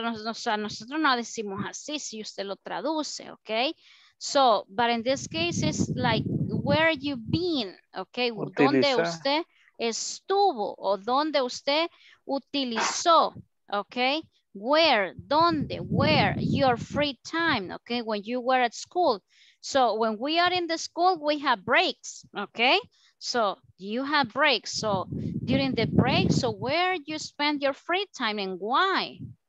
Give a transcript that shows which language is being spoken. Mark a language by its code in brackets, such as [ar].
[es] O sea, nosotros no decimos así si usted lo traduce, okay? [en] So, but in this case, it's like, where you been, okay? [es] Utiliza. ¿Dónde usted estuvo o dónde usted utilizó, okay? [en] Where, donde, where, your free time, okay, when you were at school. So when we are in the school, we have breaks, okay? So you have breaks. So during the break, so where you spend your free time and why?